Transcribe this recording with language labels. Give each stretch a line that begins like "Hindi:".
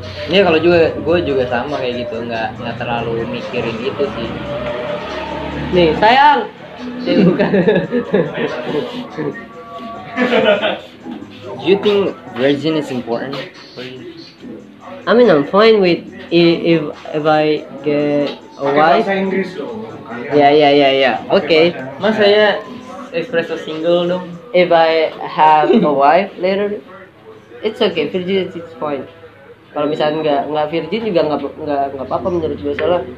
Indonesian: Ini ya, kalau juga gue juga sama kayak gitu, nggak terlalu mikirin itu sih. Nih sayang,
English: do you think virgin is important? I mean I'm fine with if I get a wife. Yeah. Okay.
Indonesian: Mas saya espresso single dong.
English: If I have a wife later. It's okay, virgin it's fine.
Indonesian: Kalau misalnya nggak virgin juga nggak apa-apa menurut gue, soalnya.